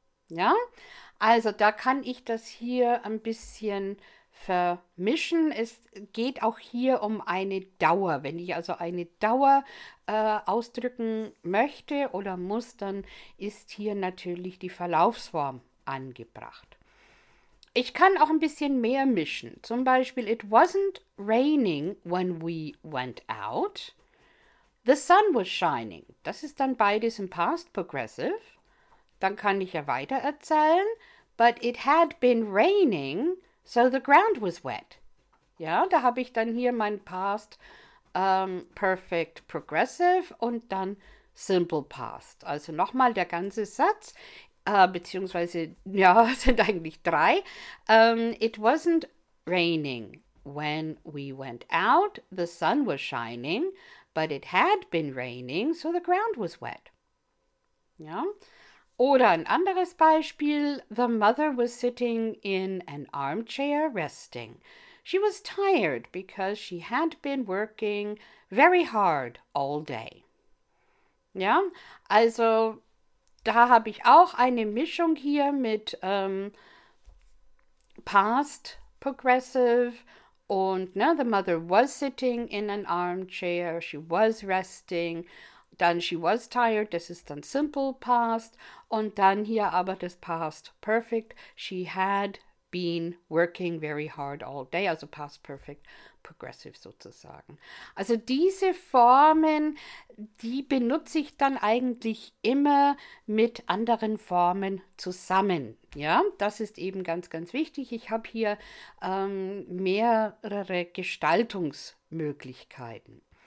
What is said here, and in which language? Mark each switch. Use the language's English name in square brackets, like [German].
[German] Ja, also da kann ich das hier ein bisschen vermischen. Es geht auch hier um eine Dauer. Wenn ich also eine Dauer ausdrücken möchte oder muss, dann ist hier natürlich die Verlaufsform angebracht. Ich kann auch ein bisschen mehr mischen. Zum Beispiel, [English] it wasn't raining when we went out. The sun was shining. [German] Das ist dann beides im Past Progressive. Dann kann ich ja weiter erzählen. [English] But it had been raining. So the ground was wet. [German] Ja, da habe ich dann hier mein Past Perfect Progressive und dann Simple Past. Also nochmal der ganze Satz, beziehungsweise, ja, sind eigentlich drei. [English] It wasn't raining when we went out. The sun was shining, but it had been raining, so the ground was wet. Ja. [German] Oder ein anderes Beispiel. [English] The mother was sitting in an armchair resting. She was tired because she had been working very hard all day. [German] Ja, also da habe ich auch eine Mischung hier mit Past Progressive und ne, [English] the mother was sitting in an armchair, she was resting. [German] Dann [English] she was tired, [German] das ist dann simple past. Und dann hier aber das past perfect. [English] She had been working very hard all day. [German] Also past perfect progressive sozusagen. Also diese Formen, die benutze ich dann eigentlich immer mit anderen Formen zusammen. Ja, das ist eben ganz, ganz wichtig. Ich habe hier mehrere Gestaltungsmöglichkeiten.